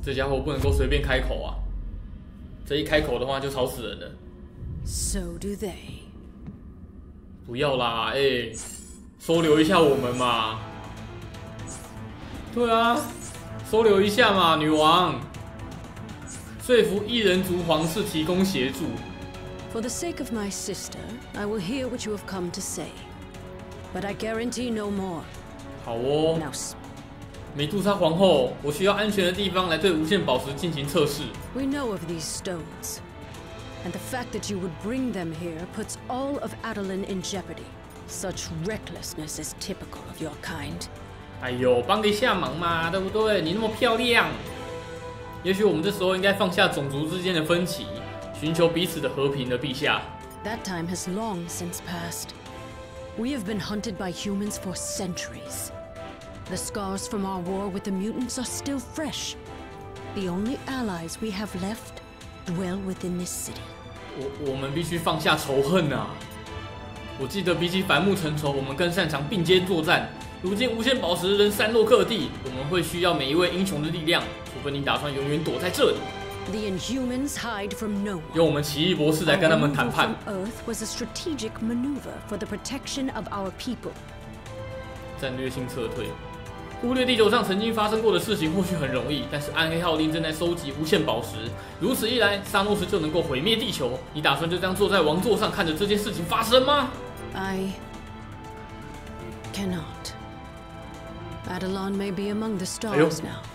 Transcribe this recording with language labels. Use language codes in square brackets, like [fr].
[zh] 这家伙不能够随便开口啊。这一开口的话就吵死人了。 [en] So do they. [zh] 不要啦，欸，收留一下我们嘛。对啊，收留一下嘛，女王。说服异人族皇室提供协助。 [en] For the sake of my sister, I will hear what you have come to say. But I guarantee no more. [zh] 好哦。美杜莎皇后，我需要安全的地方来对无限宝石进行测试。 [en] We know of these stones, and the fact that you would bring them here puts all of Adeline in jeopardy. Such recklessness is typical of your kind. [zh] 哎呦，帮个下忙嘛，对不对？你那么漂亮，也许我们这时候应该放下种族之间的分歧，寻求彼此的和平了，陛下。 [en] That time has long since passed. We have been hunted by humans for centuries. The scars from our war with the mutants are still fresh. The only allies we have left dwell within this city. [zh] 我们必须放下仇恨啊！我记得比起反目成仇，我们更擅长并肩作战。如今无限宝石仍散落各地，我们会需要每一位英雄的力量，除非你打算永远躲在这里。 [en] The Inhumans hide from no one. [zh] 用我们奇异博士来跟他们谈判。 [en] Our move from Earth was a strategic maneuver for the protection of our people. [zh] 战略性撤退，忽略地球上曾经发生过的事情或许很容易，但是暗黑号令正在收集无限宝石。如此一来，沙诺斯就能够毁灭地球。你打算就这样坐在王座上看着这件事情发生吗 [en] ？I cannot. Adelon may be among the stars now.